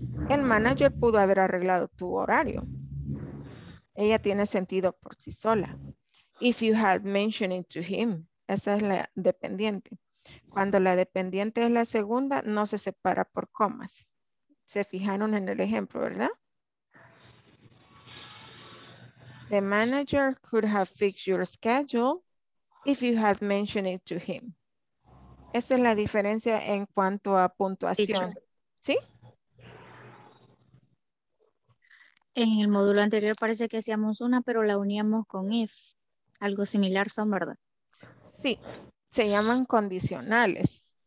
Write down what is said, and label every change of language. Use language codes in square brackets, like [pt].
[es] El manager pudo haber arreglado tu horario. Ella tiene sentido por sí sola. [en] If you had mentioned it to him, [es] esa es la dependiente. Cuando la dependiente es la segunda, no se separa por comas. Se fijaron en el ejemplo, ¿verdad? [en] The manager could have fixed your schedule if you had mentioned it to him. [es] Esa es la diferencia en cuanto a puntuación. ¿Sí? En el módulo anterior parece que hacíamos una, pero la uníamos con if. Algo similar son, ¿verdad? Sí, se llaman condicionales.